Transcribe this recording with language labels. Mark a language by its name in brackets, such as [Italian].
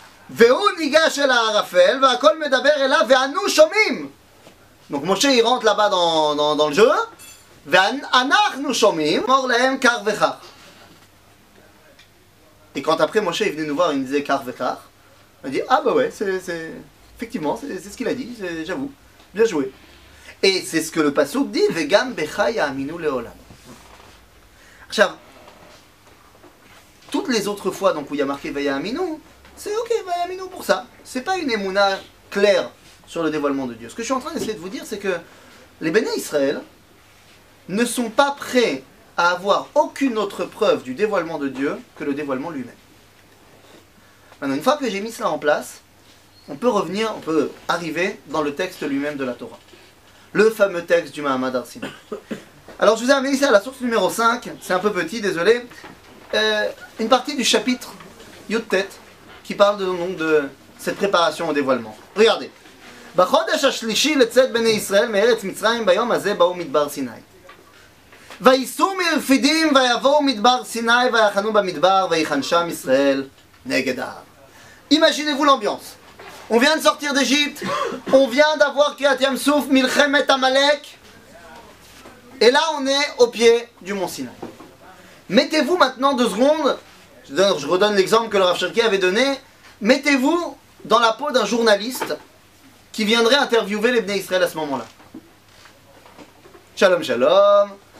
[Hebrew] והוא ניגש אל הערפל, והכל מדבר אליו, ואנו שומעים. [French] Donc Moshe il rentre là-bas dans le jeu, [Hebrew] ואנחנו [French] nous [Hebrew] שומעים, מור להם כך וכך. [French] Et quand après Moshe il venait nous voir, il disait [Hebrew] כך וכך, [French] on dit, ah bah ouais, effectivement, c'est ce qu'il a dit, j'avoue, bien joué. Et c'est ce que le pasouk dit, [Hebrew] וגם בך יאמינו לעולם. עכשיו, [French] toutes les autres fois donc, où il y a marqué Vayaminu, c'est ok, Vayaminu pour ça. C'est pas une émouna claire sur le dévoilement de Dieu. Ce que je suis en train d'essayer de vous dire, c'est que les Béné Israël ne sont pas prêts à avoir aucune autre preuve du dévoilement de Dieu que le dévoilement lui-même. Maintenant, une fois que j'ai mis cela en place, on peut arriver dans le texte lui-même de la Torah. Le fameux texte du Mahamad Arsina. Alors, je vous ai amené ici à la source numéro 5, c'est un peu petit, désolé. Une partie du chapitre Yud-Tet qui parle donc de cette préparation au dévoilement. Regardez. [Hebrew] בחודש השלישי לצאת בני ישראל מארץ מצרים ביום הזה באו מדבר סיני. וייסעו מרפידים ויבואו מדבר סיני ויחנו במדבר ויחן שם ישראל נגד ההר. [French] Imaginez-vous l'ambiance. On vient de sortir d'Égypte, on vient d'avoir [Hebrew] קריעת ים סוף, מלחמת עמלק. [French] Et là on est au pied du mont Sinai. Mettez-vous maintenant deux secondes, je redonne l'exemple que le Rav Cherki avait donné, mettez-vous dans la peau d'un journaliste qui viendrait interviewer les Bnei Israël à ce moment-là. Shalom, shalom.